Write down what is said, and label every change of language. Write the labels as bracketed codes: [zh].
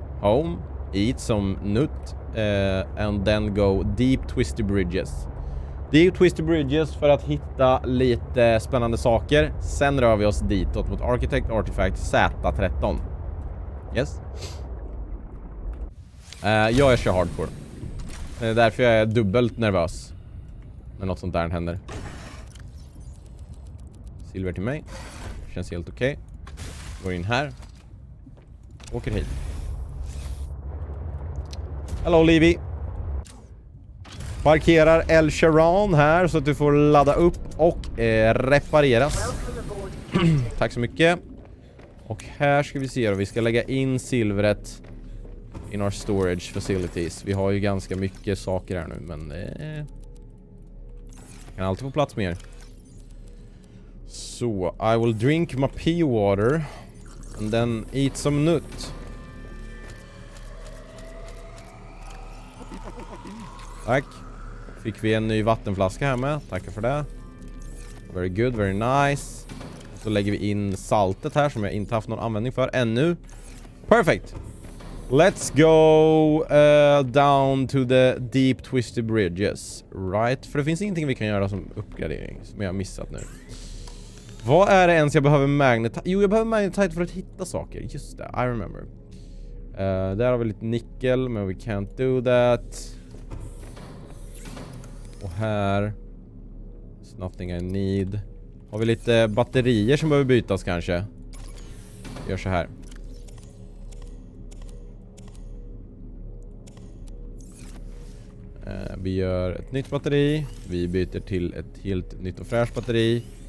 [en] Home, eat some nut, and then go deep twisty bridges. [sv] Det är ju Twisty Bridges för att hitta lite spännande saker. Sen rör vi oss ditåt mot Architect Artifact Z13. Yes. Jag är kör hardcore. Det är därför jag är dubbelt nervös. När något sånt där händer. Silver till mig. Känns helt okej. Går in här. Åker hit. [en] Hello, Levi. [sv] Parkerar El Charan här så att du får ladda upp och repareras. Tack så mycket. Och här ska vi se då. Vi ska lägga in silvret [en] in our storage facilities. [sv] Vi har ju ganska mycket saker här nu, men kan alltid få plats mer. [en] Så, I will drink my pee water and then eat some nut. [sv] Tack. Fick vi en ny vattenflaska här med. Tackar för det. [en] Very good, very nice. [sv] Så lägger vi in saltet här som jag inte haft någon användning för ännu. [en] Perfect. Let's go down to the deep twisty bridges. [sv] Right, för det finns ingenting vi kan göra som uppgradering som jag har missat nu. Vad är det ens jag behöver magnetite? Jo, jag behöver magnetite för att hitta saker. Just det, [en] I remember. [sv] Där har vi lite nickel, men [en] we can't do that. [sv] Och här, [en] it's nothing I need. [sv] Har vi lite batterier som behöver bytas kanske? Vi gör så här. Vi gör ett nytt batteri. Vi byter till ett helt nytt och fräscht batteri.